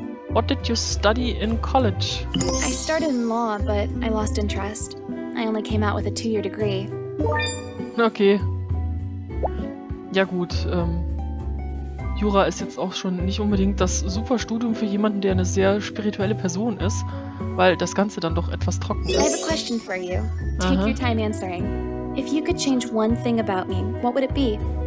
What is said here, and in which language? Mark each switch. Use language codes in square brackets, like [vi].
[en] What did you study in college? I started in law, but I lost interest. I only came out with a 2-year degree. Okay. [de] Ja gut, Jura ist jetzt auch schon nicht unbedingt das super Studium für jemanden, der eine sehr spirituelle Person ist, weil das Ganze dann doch etwas trocken ist. [en] I have a question for you. Take your time answering. If you could change one thing about me, what would it be?